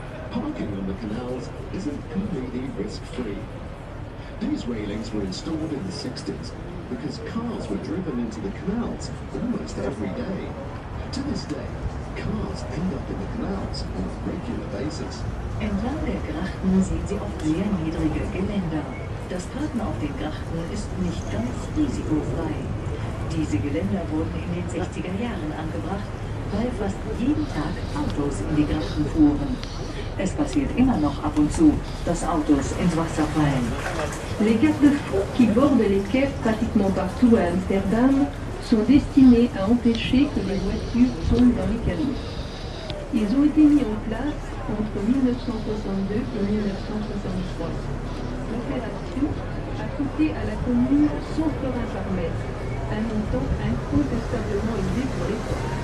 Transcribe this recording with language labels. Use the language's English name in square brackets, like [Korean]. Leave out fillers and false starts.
[English] Parking on the canals isn't completely risk-free. These railings were installed in the 60s because cars were driven into the canals almost every day. To this day, cars end up in the canals on a regular basis. [German] Entlang der Grachten sehen Sie oft sehr niedrige Geländer. Das Parken auf den Grachten ist nicht ganz risikofrei. Diese Geländer wurden in den 60er Jahren angebracht, weil fast jeden Tag Autos in die Grachten fuhren. Es passiert immer noch ab und zu, dass Autos ins Wasser fallen. [French] Les garde-fous qui bordent les quais pratiquement partout à Amsterdam sont destinés à empêcher que les voitures tombent dans les canaux. Ils ont été mis en place entre 1962 et 1963. L'opération a coûté à la commune 100 florins par mètre, un montant incontestablement élevé pour l'époque.